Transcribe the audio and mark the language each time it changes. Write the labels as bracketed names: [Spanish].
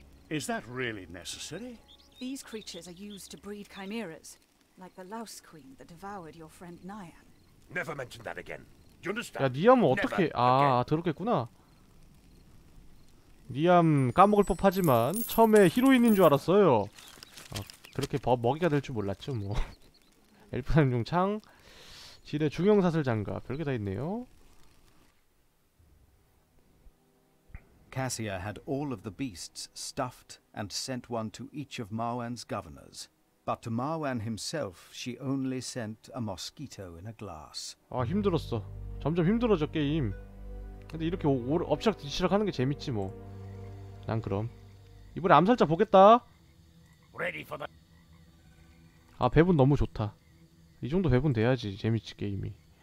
[English] Is that really necessary? These creatures are used to breed chimeras, like the louse queen that devoured your friend Nian. Never mention that again. You understand? [Korean] 야 니암은 어떻게? 아 더럽겠구나. 니암 까먹을 법하지만 처음에 히로인인 줄 알았어요. 그렇게 먹이가 될 줄 몰랐죠 뭐. 엘프 삼중 창, 지뢰 중형 사슬 장갑, 별게 다 있네요. [English] Cassia had all of the beasts stuffed and sent one to each of Marwan's governors. But to Marwan himself, she only sent a mosquito in a glass. [Korean] 아 힘들었어. 점점 힘들어져 게임. 근데 이렇게 엎치락뒤치락 하는 게 재밌지 뭐. 난 그럼 이번에 암살자 보겠다. 아 배분 너무 좋다. 이 정도 배분 돼야지 재밌지 게임이.